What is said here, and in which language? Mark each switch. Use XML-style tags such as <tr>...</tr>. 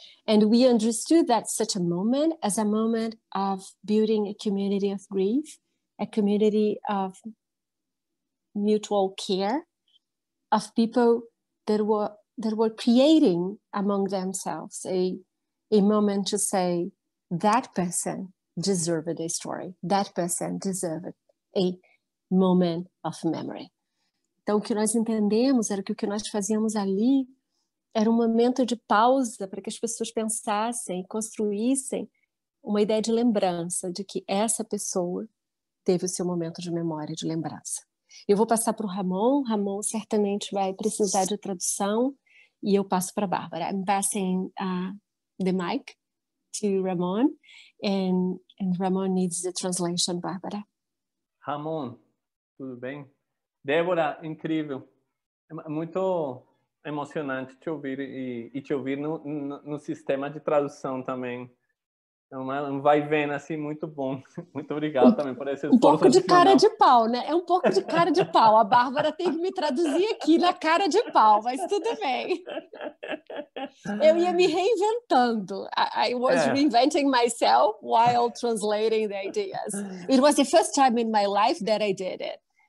<en>And we understood that such a moment as a moment of building a community of grief, a community of mutual care of people that were creating among themselves a moment to say, that person deserved a story, that person deserved a moment of memory.</en> <pt>Então, o que nós entendemos era que o que nós fazíamos ali era um momento de pausa para que as pessoas pensassem e construíssem uma ideia de lembrança, de que essa pessoa teve o seu momento de memória, de lembrança. Eu vou passar para o Ramon. Ramon certamente vai precisar de tradução e eu passo para a Bárbara.</pt> <en>I'm passing the mic to Ramon, and Ramon needs the translation, Bárbara.</en> <pt>Ramon, tudo bem? Débora, incrível. É muito emocionante te ouvir e te ouvir no sistema de tradução também. É um vai vendo assim, muito bom. Muito obrigado também por esse esforço. Um pouco de cara de pau, né? É um pouco de cara de pau. A Bárbara tem que me traduzir aqui na cara de pau, mas tudo bem. Eu ia me reinventando.</pt> <en>I was reinventing myself while translating the ideas. It was the first time in my life that I did it.</en>